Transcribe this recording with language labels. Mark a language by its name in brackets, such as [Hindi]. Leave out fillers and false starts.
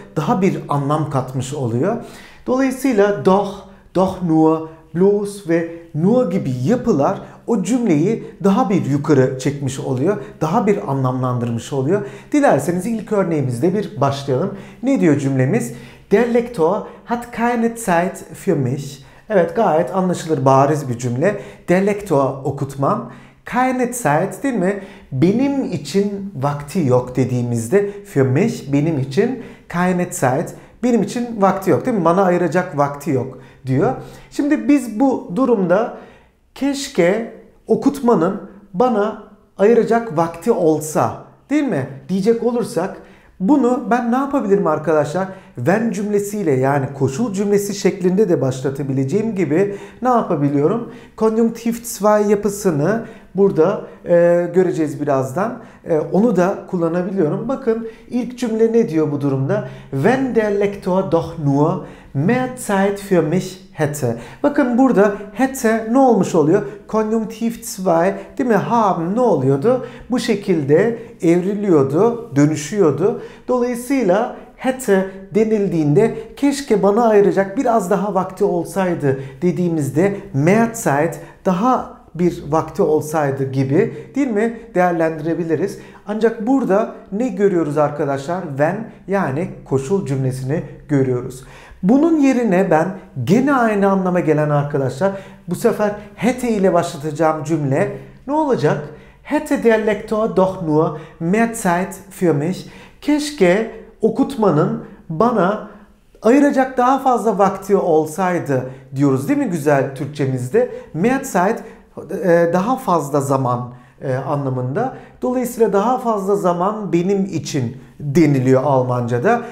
[Turkish] Daha bir anlam katmış oluyor. Dolayısıyla doch, doch nur, bloß ve nur gibi yapılar o cümleyi daha bir yukarı çekmiş oluyor. Daha bir anlamlandırmış oluyor. Dilerseniz ilk örneğimizle bir başlayalım. Ne diyor cümlemiz? [German] Der Lektor hat keine Zeit für mich. [Turkish] Evet, gayet anlaşılır, bariz bir cümle. Der Lektor, okutmam. Keine Zeit, değil mi? Benim için vakti yok dediğimizde für mich, benim için, keine Zeit, benim için vakti yok, değil mi? Bana ayıracak vakti yok diyor. Şimdi biz bu durumda keşke okutmanın bana ayıracak vakti olsa, değil mi, diyecek olursak, bunu ben ne yapabilirim arkadaşlar? Wenn cümlesiyle, yani koşul cümlesi şeklinde de başlatabileceğim gibi ne yapabiliyorum? Konjunktiv 2 yapısını burada göreceğiz birazdan. Onu da kullanabiliyorum. Bakın ilk cümle ne diyor bu durumda? [German] Wenn der Lektor doch nur mehr Zeit für mich hätte. [Turkish] Bakın burada hätte ne olmuş oluyor? Konjunktiv 2, değil mi? Haben ne oluyordu? Bu şekilde evriliyordu, dönüşüyordu. Dolayısıyla hätte denildiğinde, keşke bana ayıracak biraz daha vakti olsaydı dediğimizde, mehr Zeit, daha bir vakti olsaydı gibi, değil mi, değerlendirebiliriz. Ancak burada ne görüyoruz arkadaşlar? Wenn, yani koşul cümlesini görüyoruz. Bunun yerine ben gene aynı anlama gelen arkadaşlar, bu sefer hätte ile başlatacağım cümle ne olacak? [German] Hätte der Lektor doch nur mehr Zeit für mich. [Turkish] Keşke okutmanın bana ayıracak daha fazla vakti olsaydı diyoruz, değil mi, güzel Türkçemizde? Mehr Zeit, daha fazla zaman anlamında. Dolayısıyla daha fazla zaman benim için deniliyor Almanca'da.